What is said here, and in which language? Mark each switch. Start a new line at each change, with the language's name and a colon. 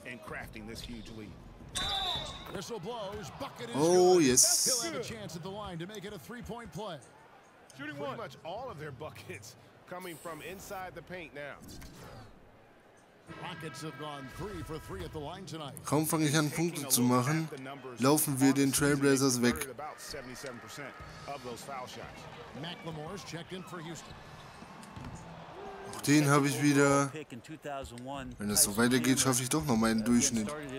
English: And crafting this huge lead. Whistle blows, bucket is Oh, good. Yes. He'll have a chance at the line to make it a three-point play. Shooting pretty much all of their buckets coming from inside the paint now. Rockets have gone 3-for-3 at the line tonight.
German: Kaum fange ich an Punkte zu machen, laufen wir den Trailblazers weg.
English: About 77% of those foul shots. McLemore's checked in for Houston.
German: Auch den habe ich wieder. Wenn es so weitergeht, schaffe ich doch noch meinen Durchschnitt.